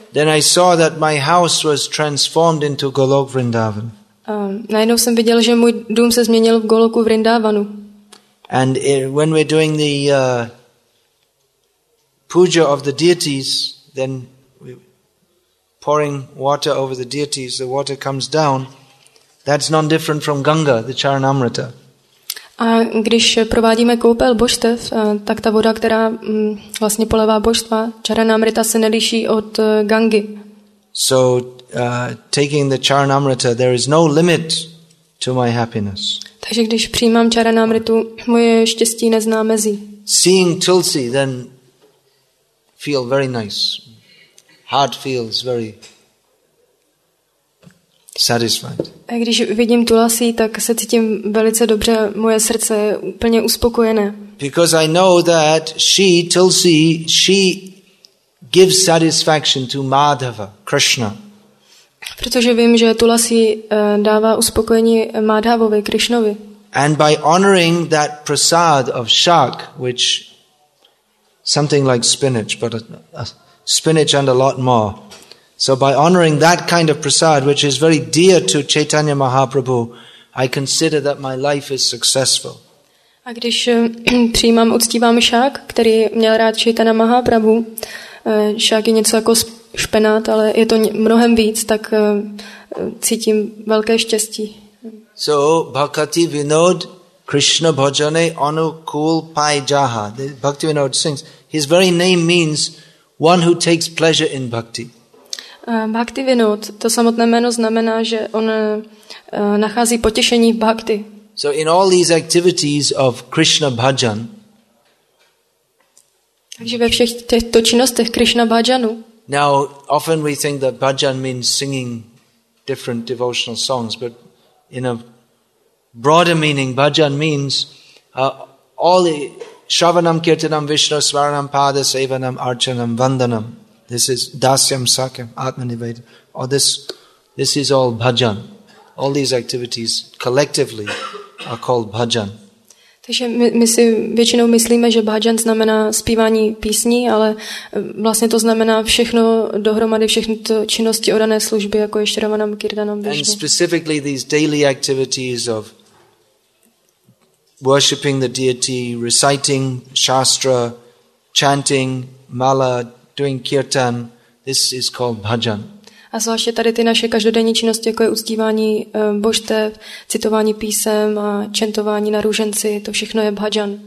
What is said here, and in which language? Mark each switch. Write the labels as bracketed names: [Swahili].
[English] Then I saw that my house was transformed into Golok Vrindavan. [Czech] Najednou jsem viděl, že můj dům se změnil v Goloku Vrindavanu. [English] And when we're doing the puja of the deities, then we're pouring water over the deities, the water comes down. That's none different from Ganga, the Charanamrita. [Czech] A když provádíme koupel božstev, tak ta voda, která vlastně polevá božstva, Charanamrita, se neliší od Gangy. [English] So taking the Charanamrita, there is no limit to my happiness. [Czech] Takže když přijímám Charanamritu, moje štěstí nezná mezí. [English] Seeing Tulsi, then feel very nice. Heart feels very satisfied. [Czech] A když vidím tulasi, tak se cítím velice dobře, moje srdce je úplně uspokojené. [English] Because I know that she, Tulsi, she gives satisfaction to Madhava, Krishna. [Czech] Protože vím, že tulasi dává uspokojení Madhavovi, Krishnovi. [English] And by honoring that prasad of shak, which something like spinach, but a spinach and a lot more. So by honoring that kind of prasad, which is very dear to Chaitanya Mahaprabhu, I consider that my life is successful. [Czech] A když přijímám, uctívám šák, který měl rád Chaitanya Mahaprabhu, šák je něco jako špenát, ale je to mnohem víc, tak cítím velké štěstí. [Bangla] So bhakti vinod krishna bhajane anukul pai jaha. [English] Bhakti vinod sings, his very name means one who takes pleasure in bhakti. [Czech] Bhakti Vinod, to samotné jméno znamená, že on nachází potěšení v bhakti. [English] So in all these activities of Krishna bhajan. [Czech] Takže ve všech těchto činnostech Krishna bhajanu. [English] Now often we think that bhajan means singing different devotional songs, but in a broader meaning bhajan means all the shravanam kirtanam vishnu svaranam pada sevanam archanam vandanam. This is dasyam sakyam atmanivedam. Or this is all bhajan. All these activities collectively are called bhajan. [Czech] Takže my si většinou myslíme, že bhajan znamená zpívání písní, ale vlastně to znamená všechno dohromady, všechny to činnosti odané služby, jako je šravanam, kirtanam, [English] vishnu. And specifically these daily activities of worshipping the deity, reciting shastra, chanting mala, doing kirtan, this is called bhajan. [Czech] A zvláště tady ty naše každodenní činnosti, jako je uctívání božstev, citování písem a čentování na růženci, to všechno je bhajan.